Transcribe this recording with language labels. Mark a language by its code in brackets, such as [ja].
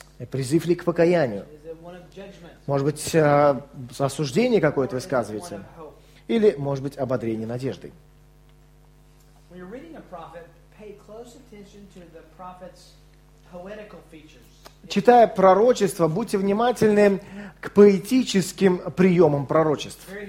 [ru] Призыв ли к покаянию? Может быть, осуждение какое-то высказывается? Или, может быть, ободрение надеждой? [en] When you're reading a prophet, pay close attention to the prophet's poetical features. [ru] Читая пророчество, будьте внимательны к поэтическим приемам пророчеств.